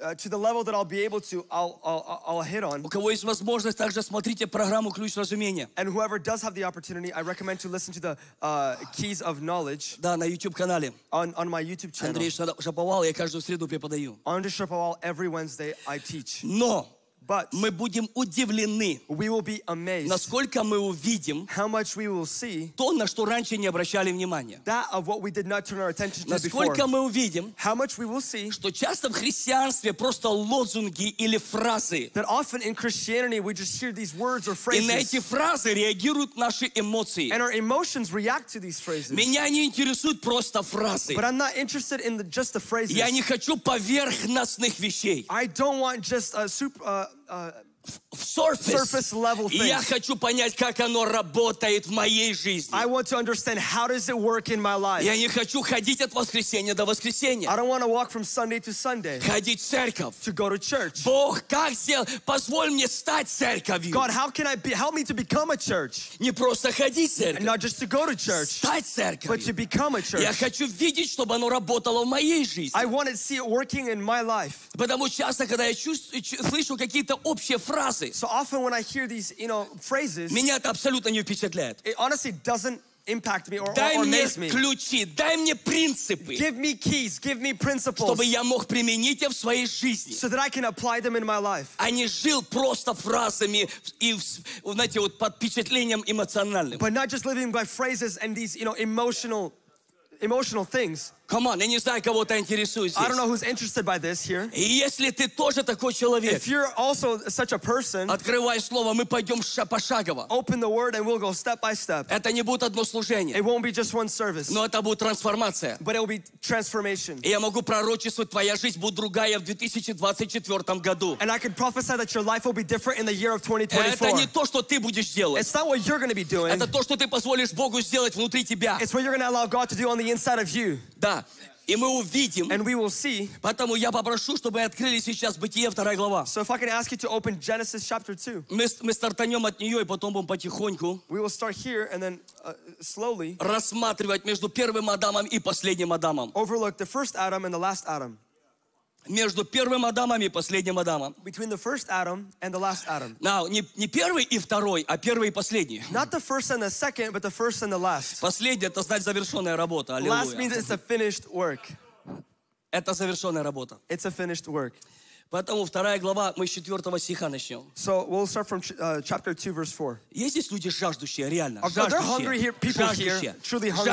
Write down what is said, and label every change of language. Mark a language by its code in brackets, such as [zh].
[en] To the level that I'll be able to, I'll hit on. [ru] У кого есть возможность, также смотрите программу «Ключ разумения». [en] And whoever does have the opportunity, I recommend to listen to the Keys of Knowledge. [ru] Да, на YouTube канале. [en] On my YouTube channel. [ru] Андрей Шапоval, я каждую среду преподаю. [en] Andrey Shapoval, every Wednesday I teach. [ru] Но [en] But [ru] мы будем удивлены, [en] we will be amazed, [ru] насколько мы увидим, [en] how much we will see, [ru] то, на что раньше не обращали внимания, [en] that of what we did not turn our attention to, [ru] насколько [en] before, [ru] мы увидим, [en] how much we will see, [ru] что часто в христианстве просто лозунги или фразы, [en] that often in Christianity we just hear these words or phrases, [ru] и на эти фразы реагируют наши эмоции, [en] and our emotions react to these phrases. [ru] Меня не интересуют просто фразы, [en] but I'm not interested in just the phrases. [ru] Я не хочу поверхностных вещей. [en] I don't want just a super surface level things. [ru] Я хочу понять, как оно работает в моей жизни. [en] I want to understand how does it work in my life. [ru] Я не хочу ходить от воскресенья до воскресенья. [en] I don't want to walk from Sunday to Sunday. [ru] Ходить в церковь. [en] To go to church. [ru] Бог, как сделать? Позволь мне стать церковью. [en] God, how can I be? Help me to become a church. [ru] Не просто ходить в церковь. [en] Not just to go to church. [ru] Стать церковью. [en] But to become a church. [ru] Я хочу видеть, чтобы оно работало в моей жизни. [en] I want to see it working in my life. [ru] Потому часто, когда я слышу какие-то общие фразы, [en] so often when I hear these, you know, phrases, [ru] меня это абсолютно не впечатляет. [en] It honestly doesn't impact me or [ru] дай мне [en] amaze me. [ru] Ключи, дай мне принципы. [en] Give me keys, give me principles. [ru] Чтобы я мог применить их в своей жизни. [en] So that I can apply them in my life. [ru] А не жил просто фразами и, знаете, вот под впечатлением эмоциональным. [en] But not just living by phrases and these, you know, emotional things. Come on, [ru] я не знаю, кого ты интересуешь здесь. [en] I don't know who's interested by this here. [ru] Если ты тоже такой человек, [en] if you're also such a person, [ru] открывай слово, мы пойдем пошагово. [en] Open the word and we'll go step by step. [ru] Это не будет одно служение. [en] It won't be just one service. [ru] Но это будет трансформация. [en] But it will be transformation. [ru] И я могу пророчествовать, твоя жизнь будет другая в 2024 году. [en] And I can prophesy that your life will be different in the year of 2024. [ru] Это не то, что ты будешь делать. [en] It's not what you're going to be doing. [ru] Это то, что ты позволишь Богу сделать внутри тебя. [en] It's what you're going to allow God to do on the inside of you. [ru] Да. И мы увидим. [en] And we will see. [ru] Поэтому я попрошу, чтобы открыли сейчас Бытие, вторая глава. [en] So if I can ask you to open Genesis chapter 2. [ru] Мы стартанем от нее, и потом будем потихоньку. [en] We will start here and then slowly. [ru] Рассматривать между первым Адамом и последним Адамом. [en] Overlook the first Adam and the last Adam. [ru] Между первым Адамом и последним Адамом. [en] Between the first Adam and the last Adam. [ru] Now, не первый и второй, а первый и последний. [en] Not the first and the second, but the first and the last. [ru] Последний — это значит завершенная работа. [en] Аллилуйя. Last means it's a finished work. [ru] Это завершенная работа. [en] It's a finished work. [ru] Поэтому вторая глава, мы с четвертого стиха начнем. [en] So we'll start from chapter 2, verse 4. [ru] Есть здесь люди жаждущие, реально? [en] Are there hungry here, people here? Truly hungry.